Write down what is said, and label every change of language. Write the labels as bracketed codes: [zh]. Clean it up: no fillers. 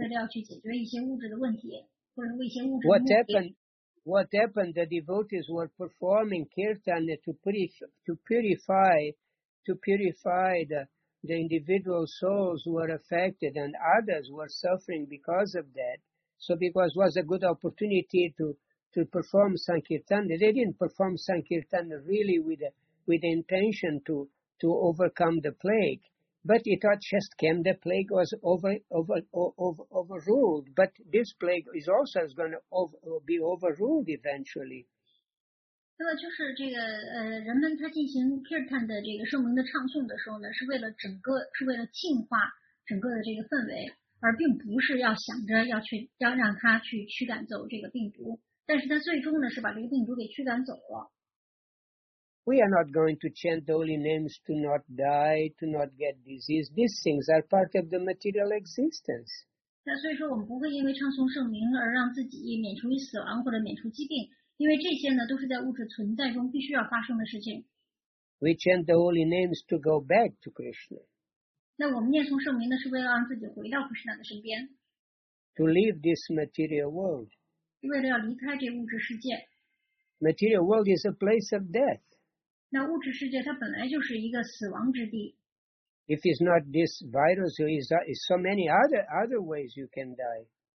[zh] 但是我们不能够认为唱诵圣名它是一个每日必行的一个仪式性的活动，然后呢是为了要去解决一些物质的问题，或者为一些物质。 [en] What happened? The devotees were performing kirtan to purify the. The individual souls were affected, and others were suffering because of that. So, because it was a good opportunity to perform sankirtan, they didn't perform sankirtan really with the intention to overcome the plague. But it not just came; the plague was overruled. But this plague is also going to be overruled eventually. [zh] 那么就是这个人们他进行 kirtan 的这个圣名的唱诵的时候呢，是为了整个是为了净化整个的这个氛围，而并不是要想着要去要让他去驱赶走这个病毒。但是他最终呢是把这个病毒给驱赶走了。We [en] are not going to chant the holy names to not die, to not get disease. These things are part of the material existence. [zh] 那所以说我们不会因为唱诵圣名而让自己免除于死亡或者免除疾病。因为这些呢，都是在物质存在中必须要发生的事情。We [en] chant the holy names to go back to Krishna. [zh] 那我们念诵圣名呢，是为了让自己回到 Krishna 的身边。To [en] leave this material world. [zh] 为了要离开这物质世界。Material [en] world is a place of death. [zh] 那物质世界它本来就是一个死亡之地。If [en] it's not this virus, it's so many other ways you can die.